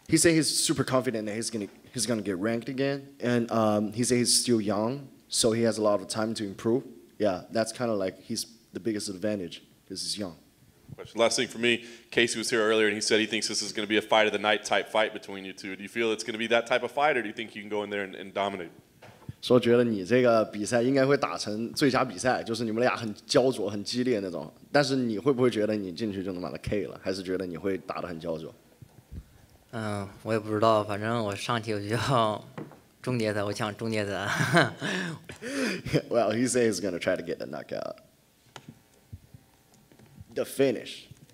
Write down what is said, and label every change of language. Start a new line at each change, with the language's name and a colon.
English: He said he's super confident that he's gonna get ranked again, and he said he's still young, so he has a lot of time to improve. Yeah, that's kind of like he's the biggest advantage because he's young. Last thing for me, Casey was here earlier, and he said he thinks this is gonna be a fight of the night type fight between you two. Do you feel it's gonna be that type of fight, or do you think you can go in there and dominate?
Chinese: 说觉得你这个比赛应该会打成最佳比赛，就是你们俩很焦灼、很激烈那种。但是你会不会觉得你进去就那么的 K 了，还是觉得你会打得很焦灼？我也不知道，反正我上去我就要终结他，我想终结他。Well,
English: he says he's gonna try to get the knockout, the finish.